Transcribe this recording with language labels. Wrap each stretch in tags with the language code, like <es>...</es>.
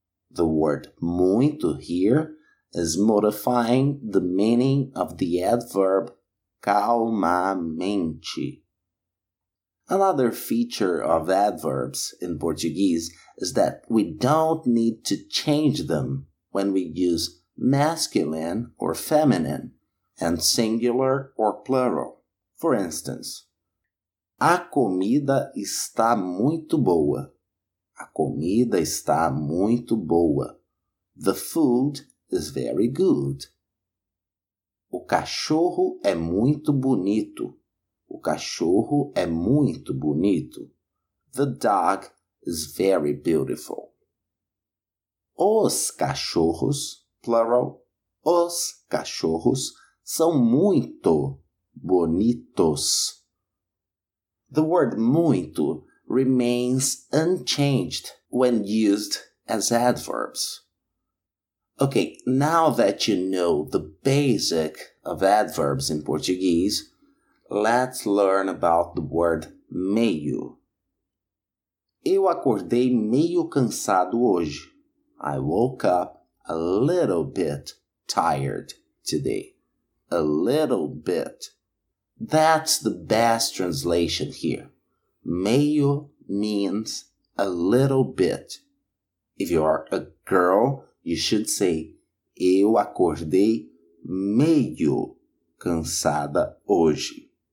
<en>The word muito here is modifying the meaning of the adverb calmamente. Another feature of adverbs in Portuguese is that we don't need to change them when we use masculine or feminine and singular or plural. For instance,</en> <pt>a comida está muito boa. A comida está muito boa.</pt> <en>The food is very good.</en> <pt>O cachorro é muito bonito. O cachorro é muito bonito.</pt> <en>The dog is very beautiful.</en> <pt>Os cachorros, plural, os cachorros são muito bonitos.</pt> <en>The word muito remains unchanged when used as adverbs. Okay, now that you know the basic of adverbs in Portuguese, let's learn about the word meio.</en> <pt>Eu acordei meio cansado hoje.</pt> <en>I woke up a little bit tired today. A little bit. That's the best translation here. Meio means a little bit. If you are a girl, you should say,</en> <pt>eu acordei meio cansada hoje.</pt>